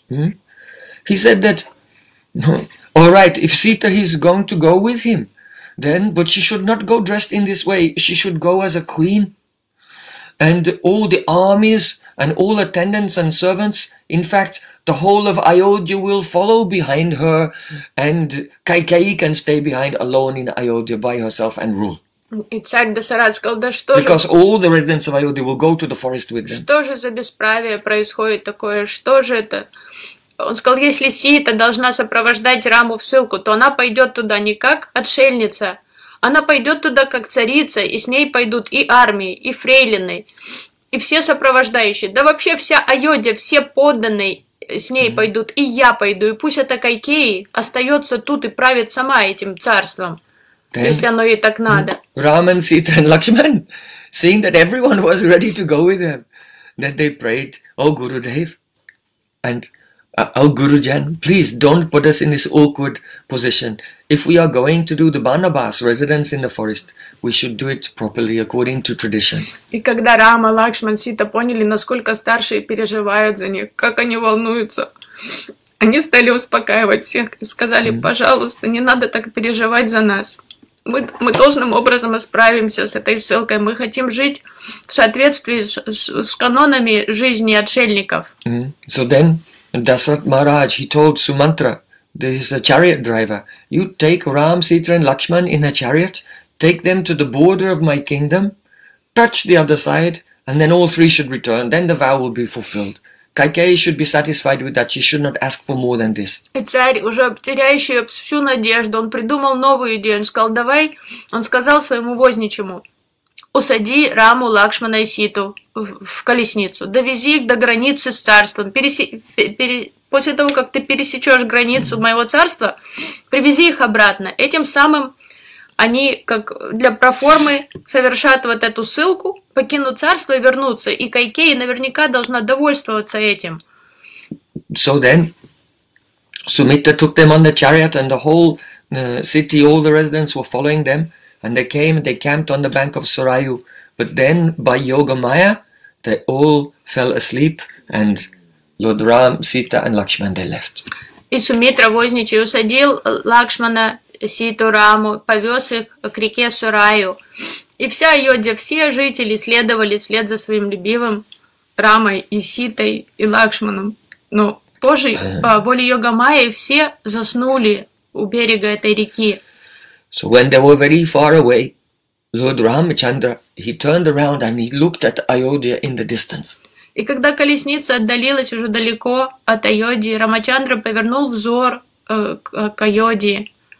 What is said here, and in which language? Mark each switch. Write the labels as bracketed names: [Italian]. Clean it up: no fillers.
[English] He said that, all right, if Sita is going to go with him, then, but she should not go dressed in this way. She should go as a queen. And all the armies and all attendants and servants, in fact, the whole of Ayodhya will follow behind her, and Kaikeyi can stay behind alone in Ayodhya by herself and rule. [Russian] И царь Дасарат сказал, да что же... [English] Because all the residents of Ayodhya will go to the forest with them. [Russian] Что же за бесправие происходит такое? Что же это? Он сказал, если Сита должна сопровождать Раму в ссылку, то она пойдет туда не как отшельница, она пойдет туда как царица, и с ней пойдут и армии, и фрейлины, и все сопровождающие. Да вообще вся Айодия, все подданные с ней mm-hmm. пойдут, и я пойду, и пусть эта Кайкеи остается тут и правит сама этим царством, [English] then, [Russian] если оно ей так надо. Рама, Сита и Лакшман, [English] seeing that everyone was ready to go with them, then they prayed, O Guru Dev, and Oh Gurujan, please don't put us in this awkward position. If we are going to do the Banabas residence in the forest, we should do it properly according to tradition. [Russian] И когда Рама, Лакшман, Сита поняли, насколько старшие переживают за них, как они волнуются, они стали успокаивать всех и сказали: пожалуйста, не надо так переживать за нас. Мы должным образом справимся с этой ссылкой. Мы хотим жить в соответствии с канонами жизни отшельников. [English] So then. And Dasarath Maharaj, he told Sumantra, this is a chariot driver, you take Ram, Sita and Lakshman in a chariot, take them to the border of my kingdom, touch the other side, and then all three should return. Then the vow will be fulfilled. Кайкеи should be satisfied with that. She should not ask for more than this. [Russian] И царь, уже теряющий всю надежду, он придумал новую идею. Он сказал, давай, он сказал своему возничему, усади Раму, Лакшмана и Ситу в колесницу, довези их до границы с царством. После того, как ты пересечешь границу моего царства, привези их обратно. Этим самым они, как для проформы, совершат вот эту ссылку, покинут царство и вернутся. И Кайкеи наверняка должна довольствоваться этим. [English] So then, Sumitra took them on the chariot, and the whole city, all the residents were following them. And they came and they camped on the bank of Sarayu. But then, by Yoga Maya, they all fell asleep, and Lord Ram, Sita and Lakshman, they left. [Russian] И Сумитра возничий усадил Лакшмана, Ситу, Раму, повез их к реке Сараю. И вся Айодья, все жители следовали вслед за своим любимым Рамой и Ситой и Лакшманом. Но позже, по воле Йога Майи, все заснули у берега этой реки. [English] So when they were very far away, Lord Ramachandra, he turned around and he looked at Ayodhya in the distance. [Russian] И когда колесница отдалилась уже далеко от Айодии, Рамачандра повернул взор к Айодии.